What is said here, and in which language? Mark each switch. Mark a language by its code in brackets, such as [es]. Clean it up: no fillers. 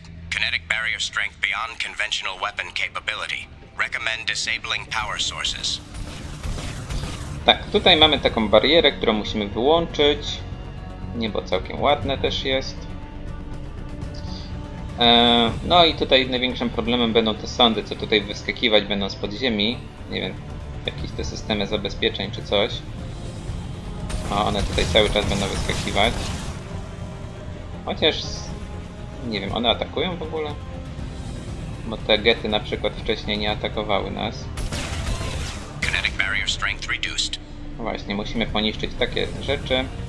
[en] Kinetic barrier strength beyond conventional weapon capability. Recommend disabling power sources. [pl] Tak, tutaj mamy taką barierę, którą musimy wyłączyć. Niebo całkiem ładne też jest. No i tutaj największym problemem będą te sądy, co tutaj wyskakiwać będą spod ziemi. Nie wiem, jakieś te systemy zabezpieczeń czy coś. O, one tutaj cały czas będą wyskakiwać. Chociaż, nie wiem, one atakują w ogóle? Bo te gety na przykład wcześniej nie atakowały nas. [en] Kinetic barrier strength reduced. [pl] Właśnie, musimy poniszczyć takie rzeczy.